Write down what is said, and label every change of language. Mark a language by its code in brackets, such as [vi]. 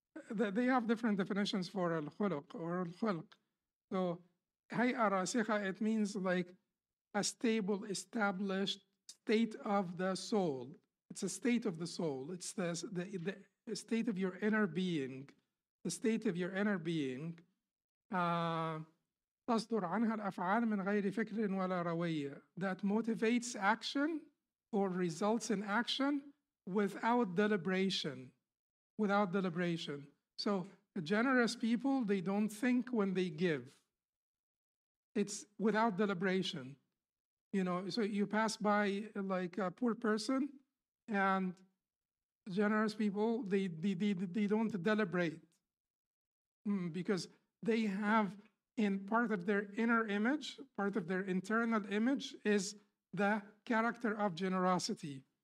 [en] They have different definitions for al-khuluq or al-khulq. So hay'a rasikha, it means like a stable, established state of the soul. It's a state of the soul. It's the state of your inner being. The state of your inner being. [ar] تصدر عنها الأفعال من غير فكر ولا رواية. [en] That motivates action or results in action without deliberation. Without deliberation. So generous people, they don't think when they give. It's without deliberation. You know, so you pass by like a poor person, and generous people, they don't deliberate, because they have in part of their inner image, part of their internal image is the character of generosity.